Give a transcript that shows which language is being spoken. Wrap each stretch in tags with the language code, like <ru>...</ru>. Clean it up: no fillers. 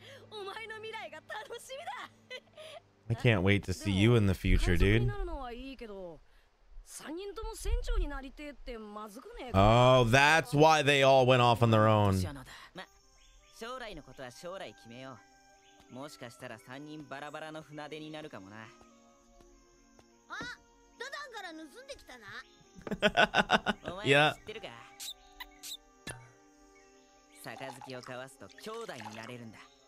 <ja>俺、お前の未来が楽しみだ。</ja> <en>I can't wait to see you in the future, dude. 海賊になるのはいいけど、</en> <ja>三人とも船長になりてえってまずくねえか。</ja> <en>Oh, that's why they all went off on their own.</en> <ja>ま、将来のことは将来決めよう。もしかしたら三人バラバラの船出になるかもな。あ、ダダンから盗んできたな。</ja> <en>Yeah.</en> <ja>杯を交わすと兄弟になれるんだ。</ja>